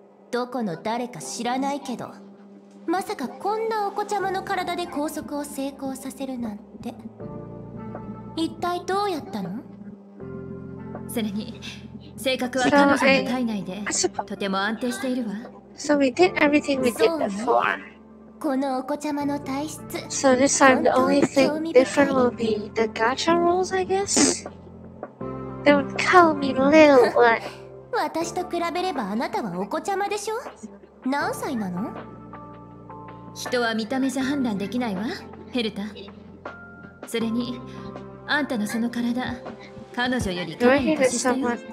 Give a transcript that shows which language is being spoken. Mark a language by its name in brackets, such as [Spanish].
[Japanese] どこの誰か知らないけど、まさかこんなお子ちゃまの体で拘束を成功させるなんて。一体どうやったの？それに性格は彼女の体内でとても安定しているわ。 [English] So we did everything we did before. [Japanese] このお子ちゃまの体質。 [English] So this time the only thing different will be the gacha rolls, I guess. Don't call me little one. [Japanese] 私と比べればあなたはお子ちゃまでしょ。何歳なの？人は見た目じゃ判断できないわ、ヘルタ。それにあんたのその体、彼女よりかなり年下よ。